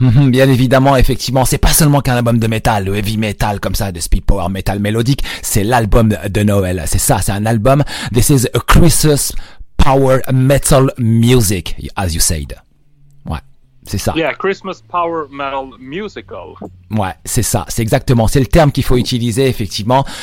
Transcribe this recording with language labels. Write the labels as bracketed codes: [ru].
[fr] Bien évidemment, effectivement, c'est pas seulement qu'un album de métal, le heavy metal comme ça, de speed power metal mélodique, c'est l'album de Noël. C'est ça, c'est un album. [en] This is a Christmas power metal music, as you said. Ouais. [fr] C'est ça. [en] Yeah, Christmas Power Metal Musical. [fr] Ouais, c'est ça, c'est exactement, c'est le terme qu'il faut utiliser effectivement.